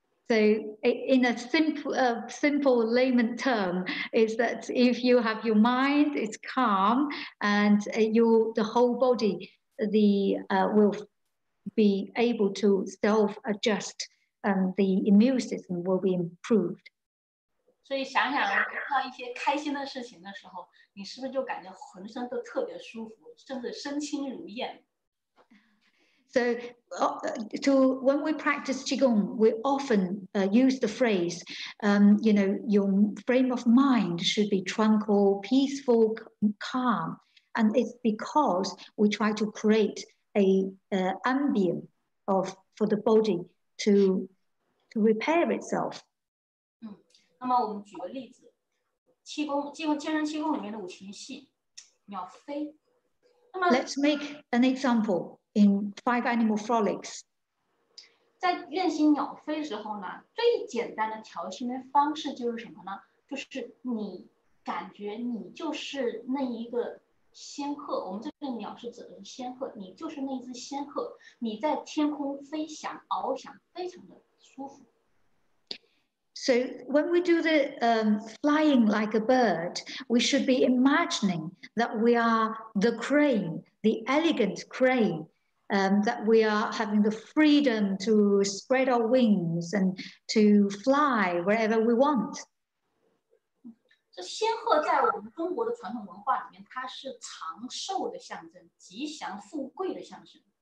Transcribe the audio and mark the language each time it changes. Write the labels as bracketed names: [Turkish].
[English] So in a simple layman term, is that if you have your mind, it's calm, and the whole body will be able to self-adjust, and the immune system will be improved. [Chinese] 所以想想看一些开心的事情的时候，你是不是就感觉浑身都特别舒服，甚至身轻如燕？ [English] So when we practice Qigong, we often use the phrase, you know, your frame of mind should be tranquil, peaceful, calm. And it's because we try to create an ambient for the body to repair itself. [Chinese] 那么我们举个例子，健身气功里面的五禽戏，鸟飞。 [English] Let's make an example in Five Animal Frolics. [Chinese] 在练习鸟飞的时候呢，最简单的调心的方式就是什么呢？就是你感觉你就是那一个仙鹤，我们这个鸟是指的仙鹤，你就是那只仙鹤，你在天空飞翔翱翔，非常的舒服。 [English] So when we do the flying like a bird, we should be imagining that we are the crane, the elegant crane, that we are having the freedom to spread our wings and to fly wherever we want. [Chinese] 这仙鹤在我们中国的传统文化里面，它是长寿的象征，吉祥富贵的象征。